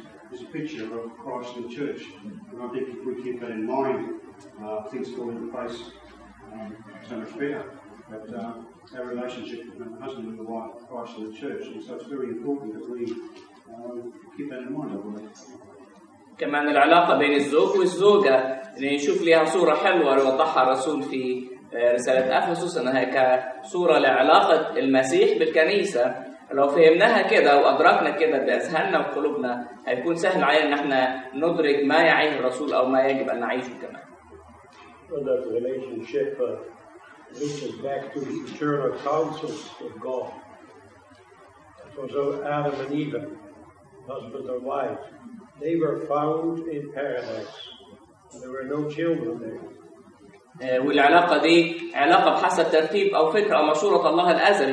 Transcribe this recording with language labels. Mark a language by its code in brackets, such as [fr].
[en] This picture of Christ in the church, and I think if we keep that in mind, things fall into place so much better. But our relationship between the husband and the wife, Christ and the church. And so it's very important that we keep that in mind, I believe. [ar] كمان العلاقة بين الزوج والزوجة اللي نشوف لها صورة حلوة وضحها الرسول في رسالة أفسس أنها كصورة لعلاقة المسيح بالكنيسة لو فهمناها كده وأدركنا كده بأذهاننا وقلوبنا هيكون سهل علينا أن احنا ندرك ما يعيه الرسول أو ما يجب أن نعيشه كمان [en] well, that relationship reaches back to the eternal counsels of God it was Adam and Eve husband and wife They were found in paradise. There were no children there. [ar] والعلاقة دي علاقة بحسب ترتيب أو فكرة أو مشورة الله الأزلي.